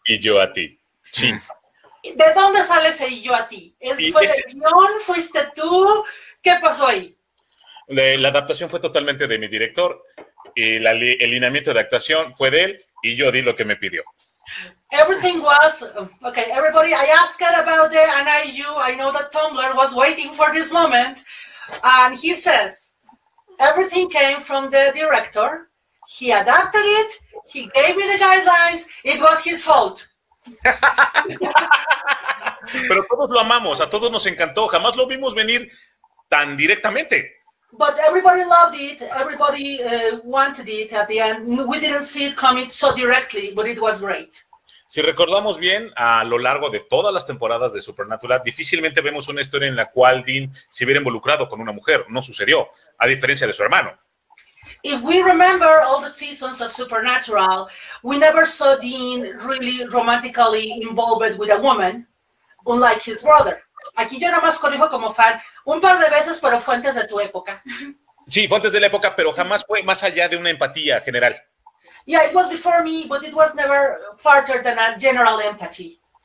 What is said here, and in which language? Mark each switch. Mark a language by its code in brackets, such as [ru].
[es] Y yo a ti, sí. ¿De dónde sale ese y yo a ti? ¿Es, Y fue ese. del guión? ¿Fuiste tú? ¿Qué pasó ahí? La adaptación fue totalmente de mi director y el lineamiento de actuación fue de él y yo di lo que me pidió. [en] Everything was okay. Everybody, I asked about it, and I know that Tumblr was waiting for this moment. And he says, everything came from the director. He adapted it. He gave me the guidelines. It was his fault. [es] Pero todos lo amamos, a todos nos encantó, jamás lo vimos venir tan directamente. [en] But everybody loved it, everybody wanted it at the end. We didn't see it coming so directly, but it was great. [es] Si recordamos bien, a lo largo de todas las temporadas de Supernatural, difícilmente vemos una historia en la cual Dean se hubiera involucrado con una mujer. No sucedió, a diferencia de su hermano. [en] If we remember all the seasons of Supernatural, we never saw Dean really romantically involved with a woman, unlike his brother. [es] Aquí yo nada más corrijo como fan un par de veces, pero fue antes de tu época. Sí, fue antes de la época, pero jamás fue más allá de una empatía general. [en] Yeah, it was before me, but it was never farther than a general empathy.